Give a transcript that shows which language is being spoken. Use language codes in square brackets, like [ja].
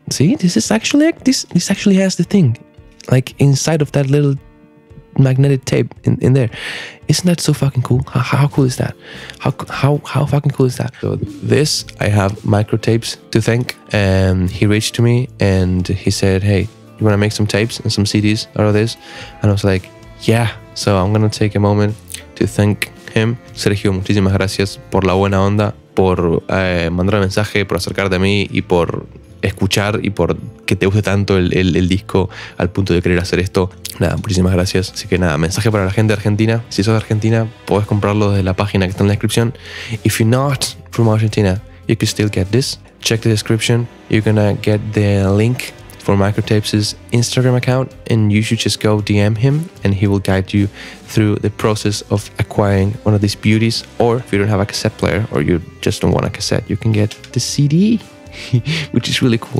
[en] See, this is actually like this actually has the thing, like inside of that little magnetic tape in there. Isn't that so fucking cool? How cool is that? How fucking cool is that? So this, I have microtapes to thank, and he reached to me and he said, "Hey, you want to make some tapes and some CDs out of this?" And I was like, "Yeah." So I'm gonna take a moment to thank him. [es] Sergio, muchísimas gracias por la buena onda, por mandar el mensaje, por acercarte a mí y por escuchar y por que te guste tanto el disco al punto de querer hacer esto. Nada, muchísimas gracias. Así que nada, mensaje para la gente de Argentina. Si sos de Argentina, puedes comprarlo desde la página que está en la descripción. [en] If you're not from Argentina, you can still get this. Check the description. You're gonna get the link for Microtapes' Instagram account, and you should just go DM him and he will guide you through the process of acquiring one of these beauties. Or if you don't have a cassette player or you just don't want a cassette, you can get the CD, which is really cool.